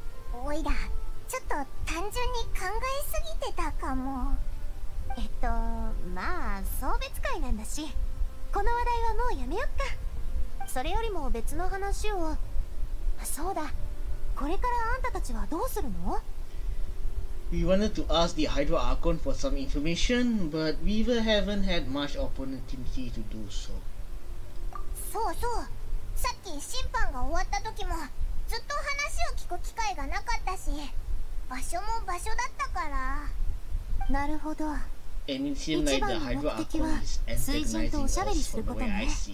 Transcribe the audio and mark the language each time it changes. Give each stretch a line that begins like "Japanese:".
Japanese: おいらちょっと単純に考えすぎてたかも。まあ送別会なんだし、この話題はもうやめよっか。それよりも別の話を。そうだ、これからあんたたちはどうするの？
English: We wanted to ask the Hydro Archon for some information, but we haven't had much opportunity to do so.
Japanese: そうそう、さっき審判が終わった時もずっと話を聞く機会がなかったし、場所も場所だったから。なるほど。一番の目的は水人とおしゃべりすることね。